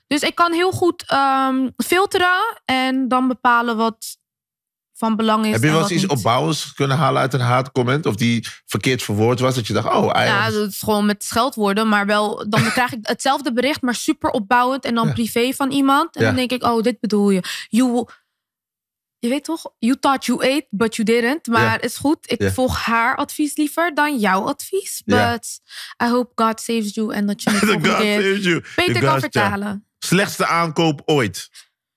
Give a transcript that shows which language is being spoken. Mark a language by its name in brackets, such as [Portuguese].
[Dutch] Dus ik kan heel goed filteren en dan bepalen wat van belang is. Heb je wel eens iets opbouwends kunnen halen uit een haatcomment? Of die verkeerd verwoord was? Dat je dacht, dat is gewoon met scheldwoorden. Maar wel, dan krijg ik hetzelfde bericht, maar super opbouwend. En dan privé van iemand. En dan denk ik, dit bedoel je. Je weet toch, [English] you thought you ate, but you didn't. [Dutch] Maar is goed, ik volg haar advies liever dan jouw advies. [English] But I hope God saves you. [Dutch] En dat je het beter kan vertalen. Slechtste aankoop ooit.